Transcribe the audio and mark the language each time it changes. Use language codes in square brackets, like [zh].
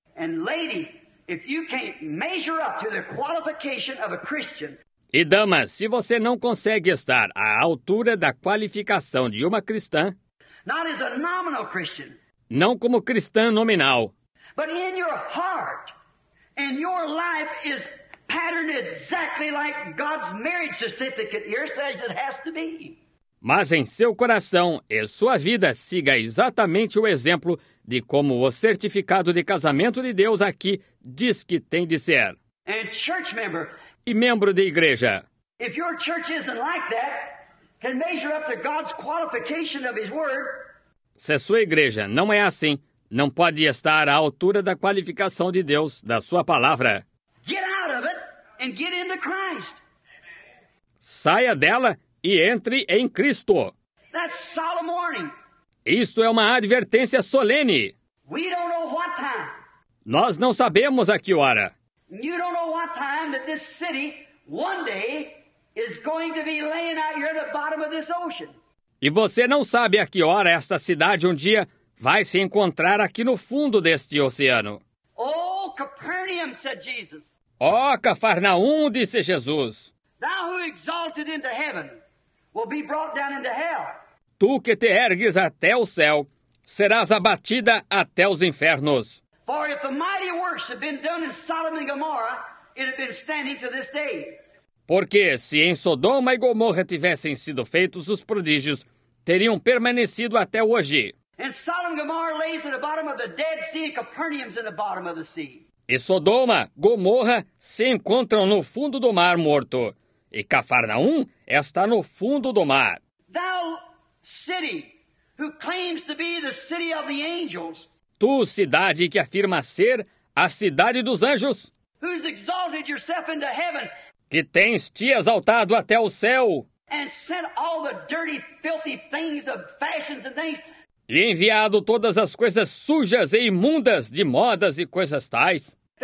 [en] And lady, if you can't measure up to the qualification of a Christian. [pt] E dama, se você não consegue estar à altura da qualificação de uma cristã, [en] not as a nominal Christian, [pt] não como cristã nominal, [en] but in your heart and your life is patterned exactly like God's marriage certificate here says it has to be. [pt] Mas em seu coração e sua vida siga exatamente o exemplo de como o certificado de casamento de Deus aqui diz que tem de ser. [en] And church member, [pt] e membro de igreja, [en] if your church isn't like that, can measure up to God's qualification of His word. [pt] Se sua igreja não é assim, não pode estar à altura da qualificação de Deus da sua palavra. [en] Get out of it and get into Christ. [pt] Saia dela e entre em Cristo. [en] That's solemn warning. [pt] Isto é uma advertência solene. [en] We don't know what time. [pt] Nós não sabemos a que hora. [en] You don't know what time that this city one day is going to be laying out here at the bottom of this ocean. [pt] E você não sabe a que hora esta cidade um dia vai se encontrar aqui no fundo deste oceano. [en] Oh, Capernaum, said Jesus. [pt] Oh, Cafarnaum, disse Jesus. [en] Thou who exalted into heaven will be brought down into hell. [pt] Tu que te ergues até o céu, serás abatida até os infernos. [en] For if the mighty works had been done in Sodom and Gomorrah, it had been standing to this day. [pt] Porque se em Sodoma e Gomorra tivessem sido feitos os prodígios, teriam permanecido até hoje. [en] And Sodom and Gomorrah lays at the bottom of the Dead Sea, and Capernaum's in the bottom of the sea. [pt] E Sodoma, Gomorra se encontram no fundo do mar morto, e Cafarnaum está no fundo do mar. [en] Thou city who claims to be the city of the angels. [pt] Tu cidade que afirma ser a cidade dos anjos. [en] Who's exalted yourself into heaven? [pt] Que tens te exaltado até o céu. [en] And sent all the dirty, filthy things of fashions and things. [pt] E enviado todas as coisas sujas e imundas de modas e coisas tais.